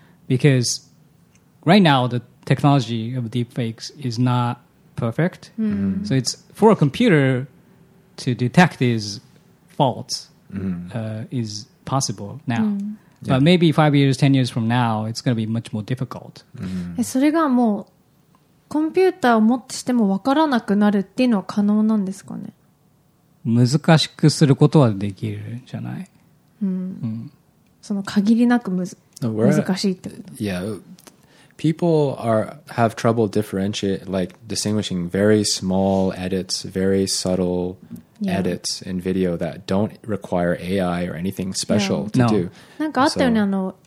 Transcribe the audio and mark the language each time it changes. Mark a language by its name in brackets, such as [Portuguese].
[English] Because right now, the technology of deepfakes is not perfect. So it's for a computer to detect these faults is possible now. But maybe 5 years, 10 years from now, it's going to be much more difficult. [Japanese] それがもうコンピューターを持ってしても分からなくなるっていうのは可能なんですかね? 難しくすることはできるじゃない? その限りなく難しいってこと? [English] Yeah, people have trouble differentiating, like distinguishing very small edits, very subtle edits in video that don't require AI or anything special to do.